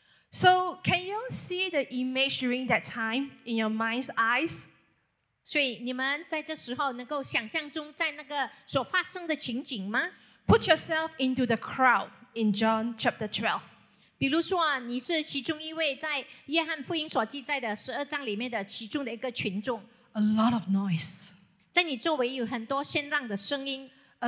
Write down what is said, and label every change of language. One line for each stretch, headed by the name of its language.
English: So can you see the image during that time in your mind's eyes?
Chinese: 所以你们在这时候能够想象中在那个所发生的情景吗？
English: Put yourself into the crowd in John chapter 12.
Chinese: 比如说，你是其中一位在约翰福音所记载的十二章里面的其中的一个群众。
English: A lot of noise.
Chinese: 在你周围有很多喧嚷的声音。
English: A